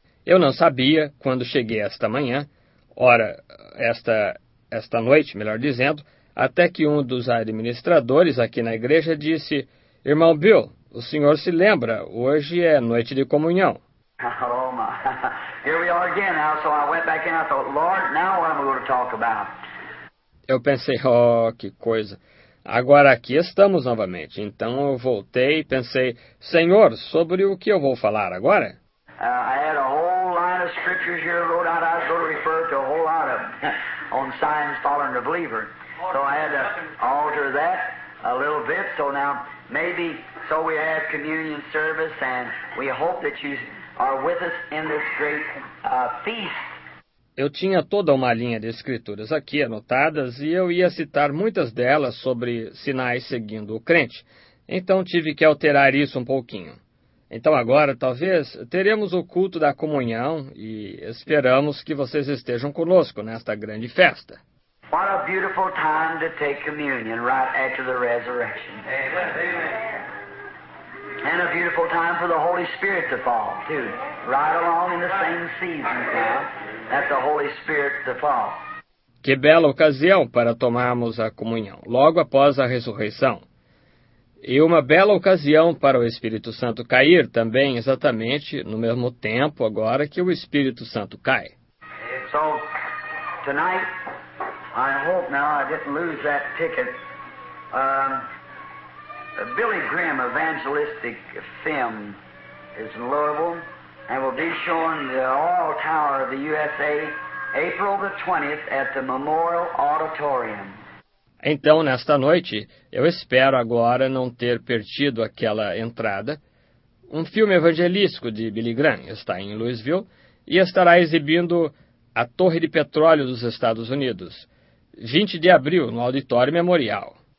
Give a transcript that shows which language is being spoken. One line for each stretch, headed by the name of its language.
Portuguese: Eu não sabia quando cheguei esta manhã, ora, esta noite, melhor dizendo, até que um dos administradores aqui na igreja disse, Irmão Bill, o senhor se lembra, hoje é noite de comunhão.
English: Oh, my. Here we are again now. So I went back in and I thought, Lord, now what am I going to talk about?
Portuguese: Eu pensei, oh, que coisa. Agora aqui estamos novamente. Então eu voltei e pensei, Senhor, sobre o que eu vou falar agora?
English: I had a whole line of scriptures here wrote out. I was going to refer to a whole lot of on signs following the believer. So I had to alter that a little bit. So now, maybe, so we have communion service, and we hope that you are with us in this great feast.
Portuguese: Eu tinha toda uma linha de escrituras aqui anotadas e eu ia citar muitas delas sobre sinais seguindo o crente, então tive que alterar isso um pouquinho. Então agora, talvez, teremos o culto da comunhão e esperamos que vocês estejam conosco nesta grande festa.
English: What a beautiful time to take communion right after the resurrection. And a beautiful time for the Holy Spirit to fall, too. Right along in the same season, that the Holy Spirit to fall.
Portuguese: Que bela ocasião para tomarmos a comunhão, logo após a ressurreição. E uma bela ocasião para o Espírito Santo cair também, exatamente no mesmo tempo agora que o Espírito Santo cai.
English: So, tonight, I hope now I didn't lose that ticket. A Billy Graham evangelistic film is in Louisville and will be showing the Oil Tower of the USA April the 20th at the Memorial Auditorium.
Portuguese: Então, nesta noite, eu espero agora não ter perdido aquela entrada. Um filme evangelístico de Billy Graham está em Louisville e estará exibindo A Torre de Petróleo dos Estados Unidos, 20 de abril, no Auditório Memorial.